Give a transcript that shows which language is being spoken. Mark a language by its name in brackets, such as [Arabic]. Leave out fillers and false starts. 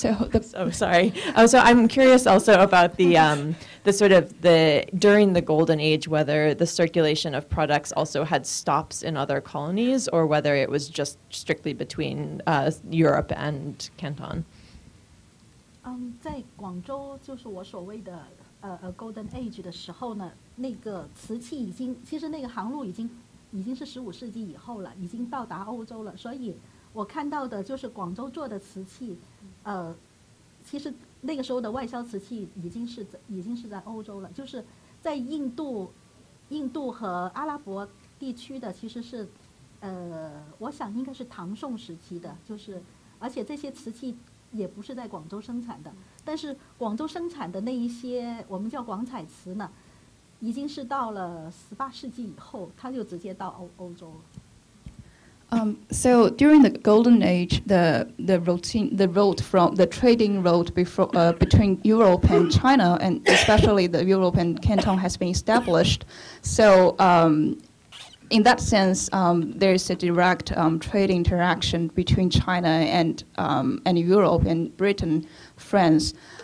[English] So I'm curious also about the sort of the during the Golden Age, whether the circulation of products also had stops in other colonies, or whether it was just strictly between Europe and Canton. In Guangzhou, [Chinese] 我看到的就是广州做的瓷器，其实那个时候的外销瓷器已经是在欧洲了，就是在印度和阿拉伯地区的，其实是我想应该是唐宋时期的，就是而且这些瓷器也不是在广州生产的，但是广州生产的那一些我们叫广彩瓷呢，已经是到了18世纪以后，它就直接到欧洲了。 [English] So during the Golden Age, the trading route between Europe and China, and especially the Europe and Canton, has been established. So in that sense, there is a direct trade interaction between China and Europe and Britain, France.